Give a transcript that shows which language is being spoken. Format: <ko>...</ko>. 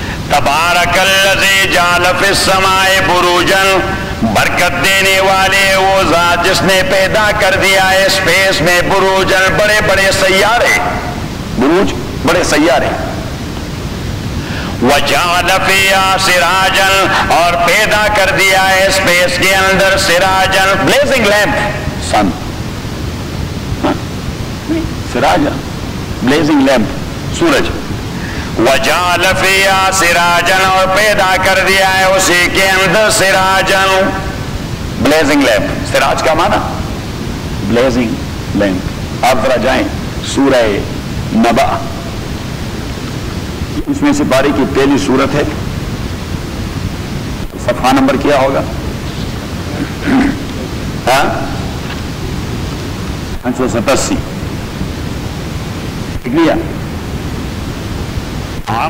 <ar>تبارک الذی جعل فی السماء بروجا</ar> <ur>برکت دینے والے, وہ ذات جس نے پیدا کر دیا ہے اسپیس میں بروج بڑے بڑے سیارے, بروج بڑے سیارے,</ur> <ar>وجعل فیہا سراجا</ar> <ur>اور پیدا کر دیا ہے اسپیس کے اندر سراجا</ur> <en>blazing lamp sun, سراجا blazing lamp سورج,</en> <ar>وجعل فیہا سراجا</ar> <ur>اور پیدا کر دیا ہے اسی کے اندر سراجا بلیزنگ لیمپ, سراج کا معنی بلیزنگ لیمپ, آپ ذرا جائیں سورہ نبا, اس میں سے باری کی پہلی سورت ہے, صفحہ نمبر کیا ہوگا, ہاں 587</ur>